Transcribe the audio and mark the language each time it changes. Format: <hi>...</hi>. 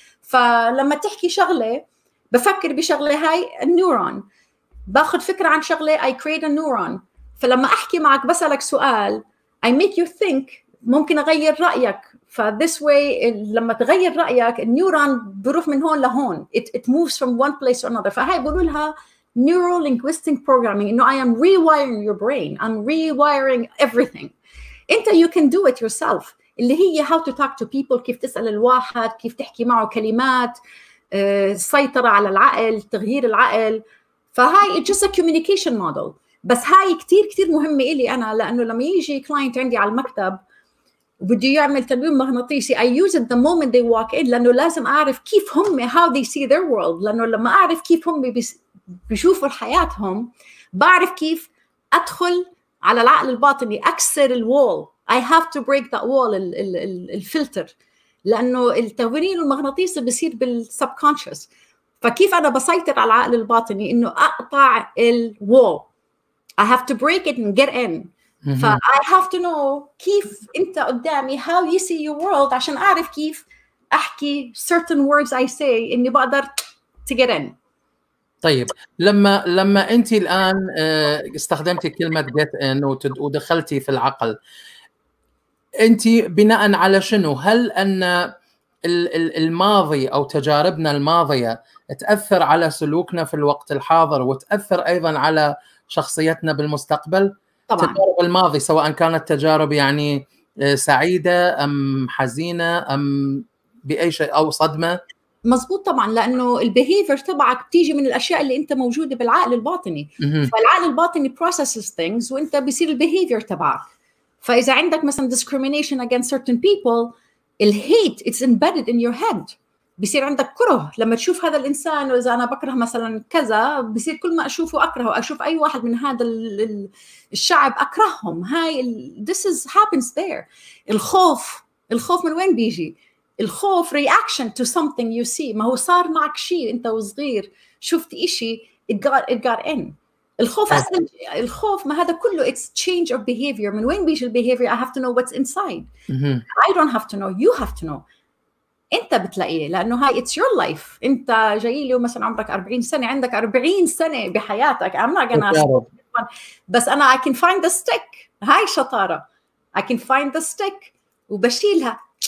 <ar>فلما تحكي شغلة بفكر بشغلة، هاي neuron باخذ فكرة عن شغلة،</ar> <en>I create a neuron.</en> <ar>فلما أحكي معك بسألك سؤال، I make you think، ممكن أغير رأيك. ف</ar> <en>this way</en> <ar>لما تغير رأيك النيورون بروح من هون لهون،</ar> <en>it moves from one place to another.</en> <ar>فهاي بقولولها neuro-linguistic programming، إنه</ar> <en>I am rewiring your brain، I'm rewiring everything.</en> <ar>أنت</ar> <en>you can do it yourself،</en> <ar>اللي هي</ar> <en>how to talk to people،</en> <ar>كيف تسأل الواحد، كيف تحكي معه كلمات، سيطرة على العقل، تغيير العقل. فهاي</ar> <en>it's just a communication model.</en> <ar>بس هاي كتير كتير مهمة إلي أنا، لأنه لما يجي client عندي على المكتب وبدي يعمل تنويم مغناطيسي.</ar> <en>I use it the moment they walk in,</en> <ar>لأنه لازم أعرف كيف هم,</ar> <en>how they see their world.</en> <ar>لأنه لما أعرف كيف هم بيشوفوا حياتهم, بعرف كيف أدخل على العقل الباطني, أكسر الوال.</ar> <en>I have to break that wall,</en> <ar>الفلتر, لأنه التنويم المغناطيسي بيصير بالسبكونشس. فكيف أنا بسيطر على العقل الباطني إنه أقطع الوال.</ar> <en>I have to break it and get in. فأي have to know</en> <ar>كيف أنت قدامي,</ar> <en>how you see your world, عشان أعرف كيف أحكي certain words I say</en> <ar>إني بقدر</ar> <en>to get in.</en> <ar>طيب, لما أنت الآن استخدمتي كلمة get in ودخلتي في العقل, أنت بناء على شنو؟ هل أن الماضي أو تجاربنا الماضية تأثر على سلوكنا في الوقت الحاضر وتأثر أيضا على شخصيتنا بالمستقبل؟ طبعا. تجارب الماضي سواء كانت تجارب يعني سعيدة أم حزينة أم بأي شيء أو صدمة. مزبوط طبعا, لأنه البيهيفير تبعك بتيجي من الأشياء اللي أنت موجودة بالعقل الباطني. فالعقل الباطني</ar> <en>processes things</en> <ar>وأنت بيصير البيهيفير تبعك. فإذا عندك مثلا</ar> <en>discrimination against certain people,</en> <ar>الهيت</ar> <en>it's embedded in your head,</en> <ar>بيصير عندك كره لما تشوف هذا الإنسان. وإذا أنا بكره مثلا كذا, بيصير كل ما أشوفه أكره, وأشوف أي واحد من هذا الشعب أكرههم. هاي</ar> <en>this is happens there.</en> <ar>الخوف من وين بيجي؟ الخوف</ar> <en>reaction to something you see.</en> <ar>ما هو صار معك شيء أنت وصغير, شفت إشي,</ar> <en>it got in.</en> <ar>الخوف أصلاً, الخوف ما هذا كله,</ar> <en>it's change of behavior.</en> <ar>من وين بيجي البيهيفير؟</ar> <en>I have to know what's inside. I don't have to know, you have to know.</en> <ar>أنت بتلاقيه, لأنه هاي</ar> <en>it's your life.</en> <ar>أنت جاي لي مثلا عمرك 40 سنة, عندك 40 سنة بحياتك.</ar> <en>I'm not gonna ask,</en> <ar>بس أنا</ar> <en>I can find the stick.</en> <ar>هاي شطارة,</ar> <en>I can find the stick</en> <ar>وبشيلها.</ar>